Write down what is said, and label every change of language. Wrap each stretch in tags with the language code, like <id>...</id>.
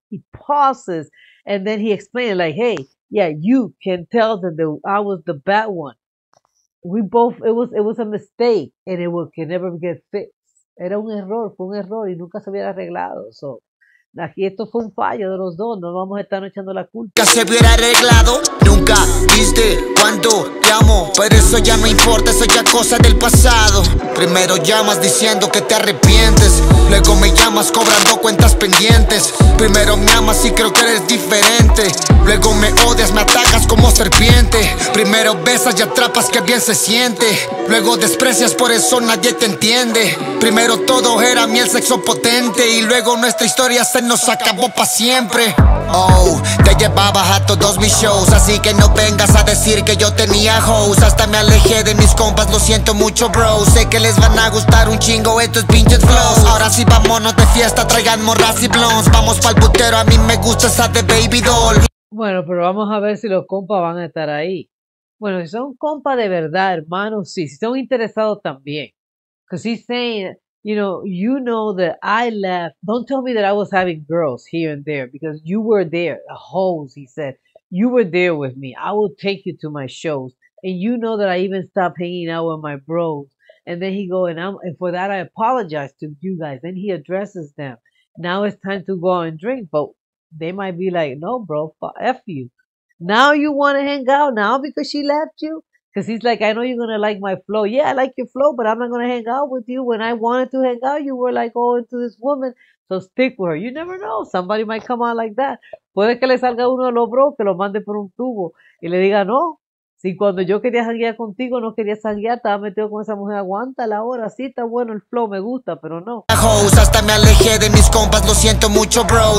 <en>He pauses and then he explains, like, hey, yeah, you can tell them that I was the bad one. We both, it was a mistake, and it will, can never get fixed.</en> <es>Era un error, fue un error, y nunca se hubiera arreglado. So, aquí esto fue un fallo de los dos, no vamos a estar echando la culpa. Nunca se hubiera arreglado, nunca viste cuánto te amo, pero eso ya no importa, eso ya cosa del pasado. Primero llamas diciendo que te arrepientes, luego me llamas cobrando cuentas pendientes. Primero me amas y creo que eres diferente, luego me odias, me atacas como serpiente. Primero besas y atrapas que bien se siente, luego desprecias, por eso nadie te entiende. Primero todo era miel, sexo potente, y luego nuestra historia se nos acabó pa' siempre. Oh, te llevabas a todos mis shows, así que no vengas a decir que yo tenía hoes. Hasta me alejé de mis compas, lo siento mucho, bro. Sé que les van a gustar un chingo estos pinches flows. Ahora sí, vámonos de fiesta, traigan morras y blondes. Vamos pa'l putero, a mí me gusta esa de baby doll. Bueno, pero vamos a ver si los compas van a estar ahí. Bueno, si son compas de verdad, hermanos, sí. Si son interesados también.</es> <en>Because he's saying, you know that I left. Don't tell me that I was having girls here and there, because you were there, a hose, he said. You were there with me. I will take you to my shows. And you know that I even stopped hanging out with my bros. And then he go, and for that I apologize to you guys. Then he addresses them. Now it's time to go out and drink. But They might be like, no, bro, F you. Now you want to hang out now because she left you? Because he's like, I know you're going to like my flow. Yeah, I like your flow, but I'm not going to hang out with you. When I wanted to hang out, you were like all into this woman. So stick with her. You never know. Somebody might come out like that.</en> <es>Puede que le salga uno de los bros que lo mande por un tubo y le diga, no. Si cuando yo quería janguear contigo, no quería janguear, estaba metido con esa mujer. Aguanta la hora. Sí, está bueno el flow, me gusta, pero no. Hasta me alejé de mis compas, lo siento mucho, bro.</es>